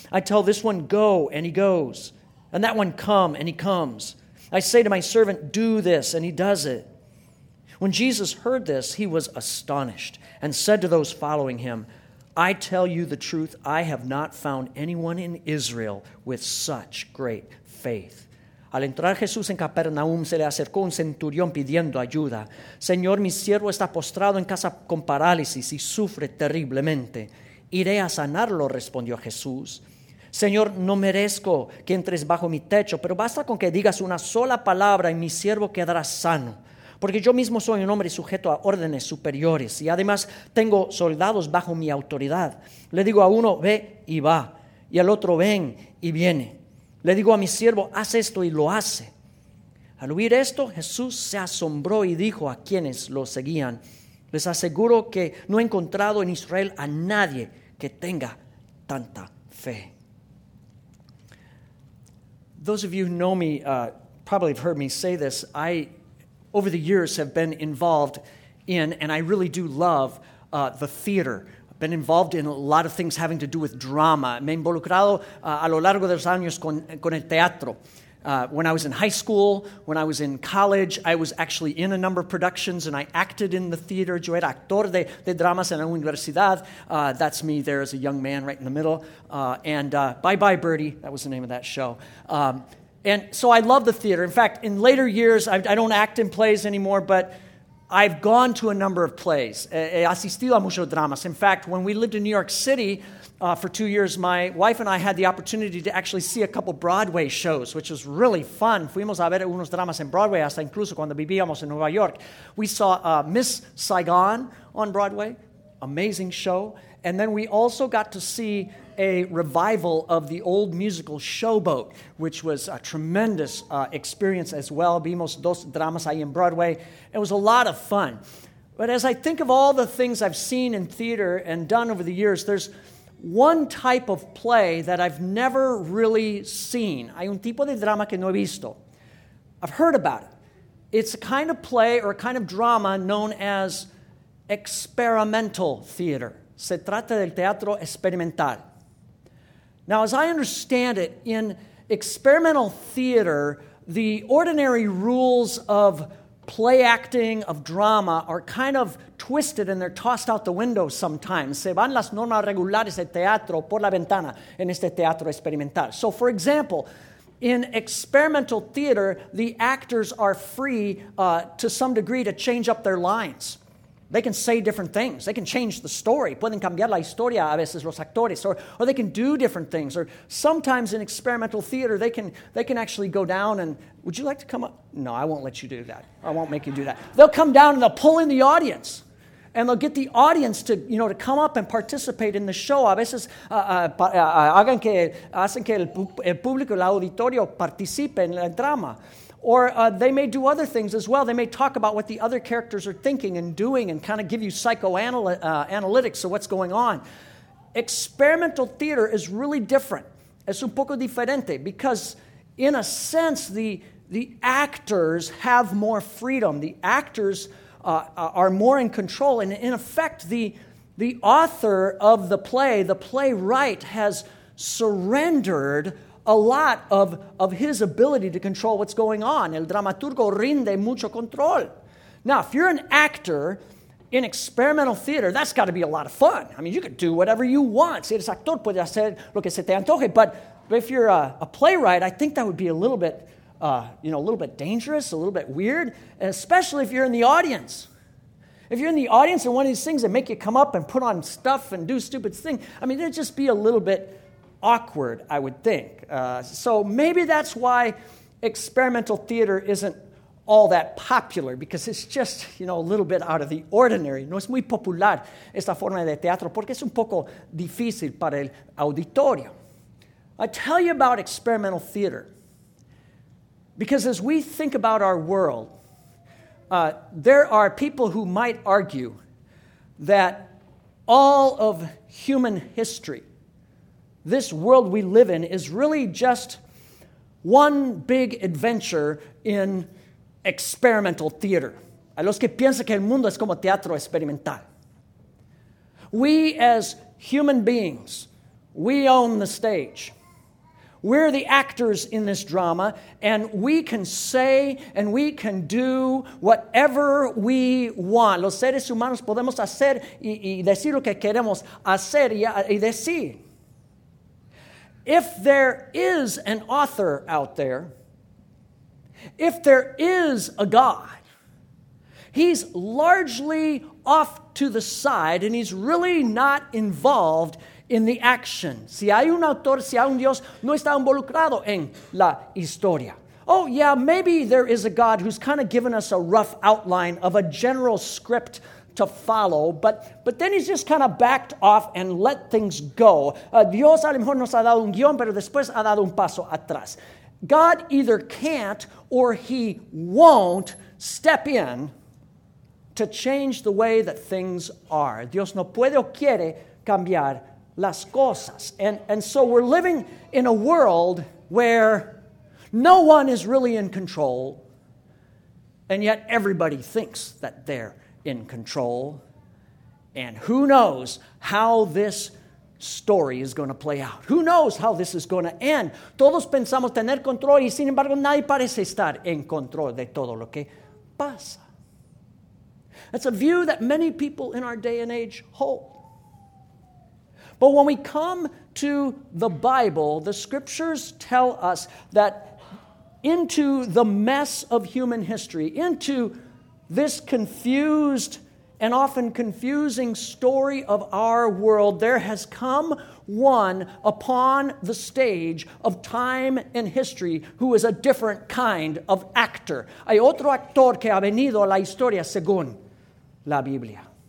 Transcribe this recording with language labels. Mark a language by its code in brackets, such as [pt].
[en] I tell this one, go, and he goes, and that one, come, and he comes. I say to my servant, do this, and he does it. When Jesus heard this, he was astonished and said to those following him, I tell you the truth, I have not found anyone in Israel with such great faith. [es] Al entrar Jesús en Capernaum, se le acercó un centurión pidiendo ayuda. Señor, mi siervo está postrado en casa con parálisis y sufre terriblemente. Iré a sanarlo, respondió Jesús. Señor, no merezco que entres bajo mi techo, pero basta con que digas una sola palabra y mi siervo quedará sano. Porque yo mismo soy un hombre sujeto a órdenes superiores y además tengo soldados bajo mi autoridad. Le digo a uno, ve y va, y al otro, ven y viene. Le digo a mi siervo, haz esto y lo hace. Al oír esto, Jesús se asombró y dijo a quienes lo seguían, les aseguro que no he encontrado en Israel a nadie que tenga tanta fe. [en] Those of you who know me probably have heard me say this. I, over the years, have been involved in, and I really do love, the theater. I've been involved in a lot of things having to do with drama. [es] Me he involucrado a lo largo de los años con el teatro. [en] When I was in high school, when I was in college, I was actually in a number of productions, and I acted in the theater. [es] Yo era actor de dramas en la universidad. [en] That's me there as a young man right in the middle. Bye Bye Birdie, that was the name of that show. And so I love the theater. In fact, in later years, I don't act in plays anymore, but I've gone to a number of plays. [es] He asistido a muchos dramas. [en] In fact, when we lived in New York City for 2 years, my wife and I had the opportunity to actually see a couple Broadway shows, which was really fun. [es] Fuimos a ver unos dramas en Broadway, hasta incluso cuando vivíamos en Nueva York. [en] We saw Miss Saigon on Broadway, amazing show. And then we also got to see a revival of the old musical Showboat, which was a tremendous experience as well. [es] Vimos dos dramas ahí en Broadway. [en] It was a lot of fun. But as I think of all the things I've seen in theater and done over the years, there's one type of play that I've never really seen. [es] Hay un tipo de drama que no he visto. [en] I've heard about it. It's a kind of play or a kind of drama known as experimental theater. [es] Se trata del teatro experimental. [en] Now, as I understand it, in experimental theater, the ordinary rules of play acting, of drama, are kind of twisted and they're tossed out the window sometimes. [es] Se van las normas regulares de teatro por la ventana en este teatro experimental. [en] So, for example, in experimental theater, the actors are free to some degree to change up their lines. They can say different things. They can change the story. [es] Pueden cambiar la historia a veces los actores. [en] Or they can do different things. Or sometimes in experimental theater, they can actually go down and, would you like to come up? No, I won't let you do that. I won't make you do that. They'll come down and they'll pull in the audience. And they'll get the audience to, you know, to come up and participate in the show. [es] A veces hacen que el público, el auditorio, participe en el drama. [en] Or they may do other things as well. They may talk about what the other characters are thinking and doing and kind of give you psychoanalytics of what's going on. Experimental theater is really different. [es] Es un poco diferente [en] because, in a sense, the actors have more freedom. The actors are more in control. And in effect, the author of the play, the playwright, has surrendered a lot of his ability to control what's going on. [es] El dramaturgo rinde mucho control. [en] Now, if you're an actor in experimental theater, that's got to be a lot of fun. I mean, you could do whatever you want. [es] Si eres actor, puedes hacer lo que se te antoje. [en] But if you're a playwright, I think that would be a little bit, a little bit dangerous, a little bit weird, especially if you're in the audience. If you're in the audience and one of these things that make you come up and put on stuff and do stupid things, I mean, it'd just be a little bit awkward, I would think. So maybe that's why experimental theater isn't all that popular, because it's just, you know, a little bit out of the ordinary. [es] No es muy popular esta forma de teatro porque es un poco difícil para el auditorio. [en] I tell you about experimental theater because as we think about our world, there are people who might argue that all of human history, this world we live in, is really just one big adventure in experimental theater. [es] A los que piensan que el mundo es como teatro experimental. [en] We as human beings, we own the stage. We're the actors in this drama, and we can say and we can do whatever we want. [es] Los seres humanos podemos hacer y decir lo que queremos hacer y decir. [en] If there is an author out there, if there is a God, he's largely off to the side and he's really not involved in the action. [es] Si hay un autor, si hay un Dios, no está involucrado en la historia. [en] Oh, yeah, maybe there is a God who's kind of given us a rough outline of a general script to follow, but then he's just kind of backed off and let things go. [es] Dios a lo mejor nos ha dado un guión, pero después ha dado un paso atrás. [en] God either can't or he won't step in to change the way that things are. [es] Dios no puede o quiere cambiar las cosas. [en] And so we're living in a world where no one is really in control, and yet everybody thinks that they're in control, and who knows how this story is going to play out. Who knows how this is going to end. [es] Todos pensamos tener control y sin embargo nadie parece estar en control de todo lo que pasa. [en] That's a view that many people in our day and age hold. But when we come to the Bible, the scriptures tell us that into the mess of human history, into this confused and often confusing story of our world, there has come one upon the stage of time and history who is a different kind of actor. [es] Hay otro actor que ha venido a la historia según la Biblia.